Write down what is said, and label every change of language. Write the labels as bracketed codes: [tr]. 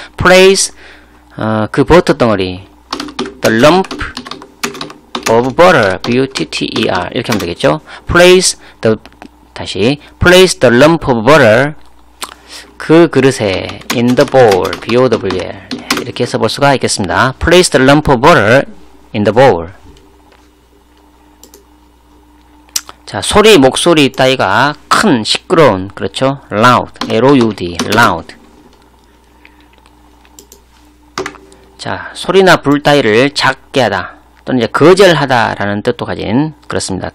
[en] place, [ko] 그 버터 덩어리. [en] the lump of butter, B-U-T-T-E-R. [ko] 이렇게 하면 되겠죠. [en] place the, [ko] 다시. [en] place the lump of butter, [ko] 그 그릇에, [en] in the bowl, B-O-W-L. [ko] 이렇게 써볼 수가 있겠습니다. [en] Place the lump of butter in the bowl. [ko] 자, 소리, 목소리 따위가 큰, 시끄러운, 그렇죠? [en] loud, L-O-U-D, loud. [ko] 자, 소리나 불 따위를 작게 하다, 또는 이제 거절하다 라는 뜻도 가진, 그렇습니다.